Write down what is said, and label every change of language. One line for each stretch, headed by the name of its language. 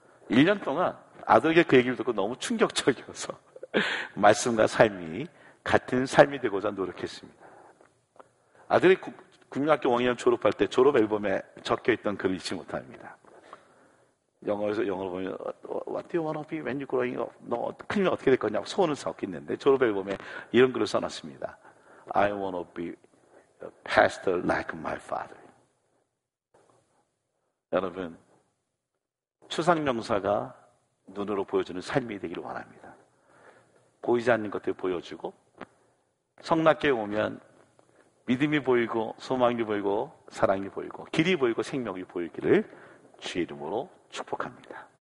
Korean: 1년 동안 아들에게 그 얘기를 듣고 너무 충격적이어서 말씀과 삶이 같은 삶이 되고자 노력했습니다. 아들이 국민학교 5학년 졸업할 때 졸업 앨범에 적혀있던 글을 잊지 못합니다. 영어에서 영어로 보면
English: What do you want to be when you're growing up?
Korean: 너 크면 어떻게 될 거냐고 소원을 적겠는데 졸업 앨범에 이런 글을 써놨습니다.
English: I want to be a pastor like my father.
Korean: 여러분, 추상명사가 눈으로 보여주는 삶이 되기를 원합니다. 보이지 않는 것들 보여주고 성낙교에 오면 믿음이 보이고 소망이 보이고 사랑이 보이고 길이 보이고 생명이 보이기를 주의 이름으로 축복합니다.